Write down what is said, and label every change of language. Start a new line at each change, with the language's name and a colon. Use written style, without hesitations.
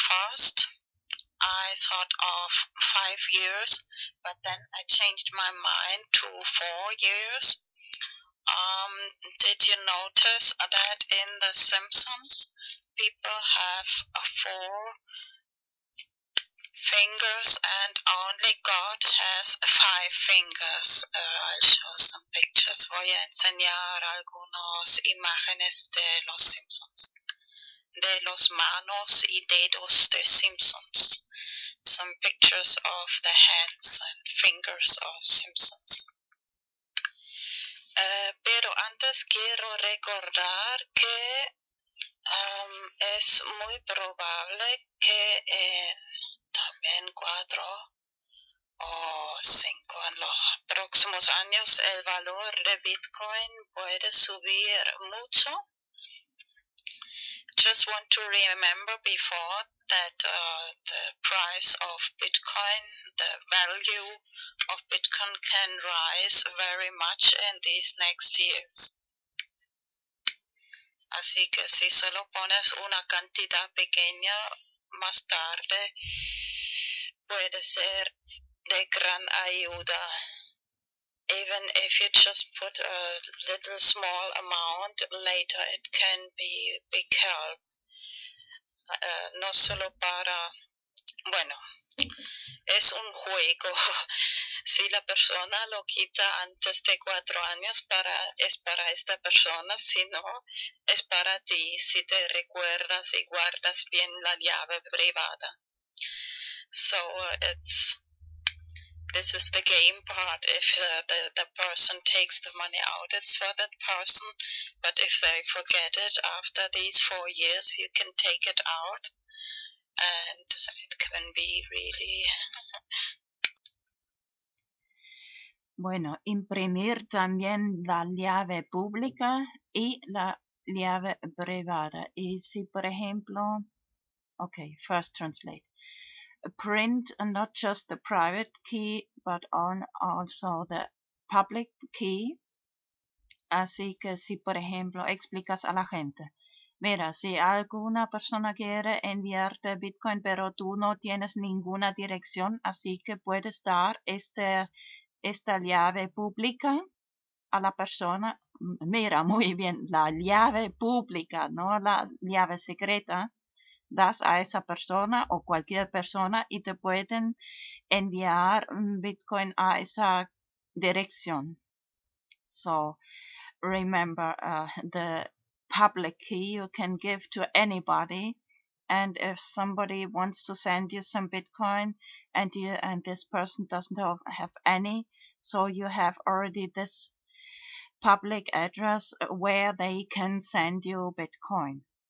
English: First, I thought of 5 years, but then I changed my mind to 4 years. Did you notice that in The Simpsons, people have 4 fingers and only God has 5 fingers. I'll show some pictures.
Spanish: Voy a enseñar algunas imágenes de los Simpsons. De los manos y dedos de Simpsons.
English: Some pictures of the hands and fingers of Simpsons.
Spanish: Pero antes quiero recordar que es muy probable que en también 4 o 5 en los próximos años el valor de Bitcoin puede subir mucho.
English: Just want to remember before that the price of Bitcoin, the value of Bitcoin can rise very much in these next years.
Spanish: Así que si solo pones una cantidad pequeña más tarde, puede ser de gran ayuda.
English: Even if you just put a little small amount, later it can be big help.
Spanish: No solo para, bueno, es un juego. Si la persona lo quita antes de 4 años, es para esta persona. Si no, es para ti, si te recuerdas y guardas bien la llave privada.
English: So it's, this is the game part. If the person takes the money out, it's for that person. But if they forget it after these 4 years, you can take it out. And it can be really...
Spanish: Bueno, imprimir también la llave pública y la llave privada. Y si, por ejemplo,
English: okay, first translate. Print not just the private key, but on also the public key.
Spanish: Así que si, por ejemplo, explicas a la gente, mira, si alguna persona quiere enviarte Bitcoin, pero tú no tienes ninguna dirección, así que puedes dar esta llave pública a la persona. Mira, muy bien, la llave pública, no la llave secreta. Das a esa persona o cualquier persona y te pueden enviar Bitcoin a esa dirección.
English: So, remember, the public key you can give to anybody. And if somebody wants to send you some Bitcoin and you and this person doesn't have any, so you have already this public address where they can send you Bitcoin.